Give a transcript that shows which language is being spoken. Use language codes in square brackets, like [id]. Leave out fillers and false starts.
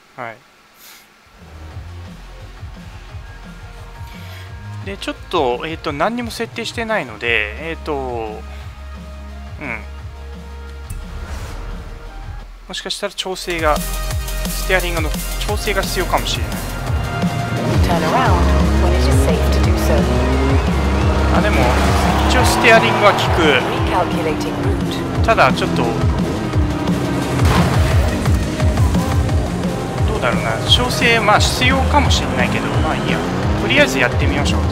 [ja] はい、でちょっと、何にも設定してないので、もしかしたら調整が、ステアリングの調整が必要かもしれない。 [en] Turn around when it is safe to do so. [ja] あ、でも一応ステアリングは効く。 [en] Recalculating route. [ja] ただちょっとどうだろうな、調整まあ必要かもしれないけど、まあいいや、とりあえずやってみましょう。